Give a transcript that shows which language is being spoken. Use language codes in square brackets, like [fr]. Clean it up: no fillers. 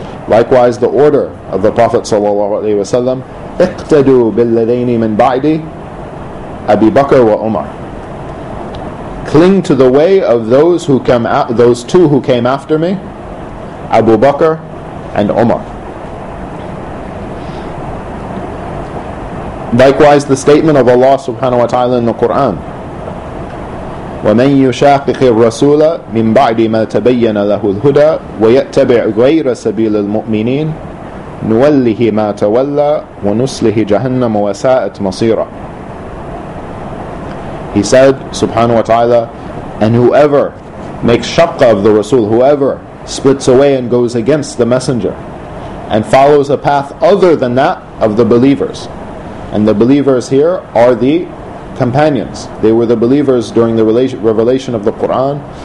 [en] Likewise, the order of the Prophet sallallahu alaihi wasallam, [ar] iqtadu billadaini min ba'di Abi Bakr wa Umar, [en] cling to the way of those who came out, those two who came after me, Abu Bakr and Umar. [ar] Likewise, the statement of Allah subhanahu wa ta'ala in the Quran, وَمَنْ يُشَاقِقِ الرَّسُولَ مِنْ بَعْدِ مَا تَبَيَّنَ لَهُ الْهُدَى وَيَتَّبِعْ غَيْرَ سَبِيلِ الْمُؤْمِنِينَ نُوَلِّهِ مَا تَوَلَّى وَنُسْلِهِ جَهَنَّمَ وَسَاءَتْ مَصِيرًا. [en] He said, subhanahu wa ta'ala, and whoever makes shaqqa of the Rasul, whoever splits away and goes against the Messenger and follows a path other than that of the believers. And the believers here are the companions. They were the believers during the revelation of the Quran.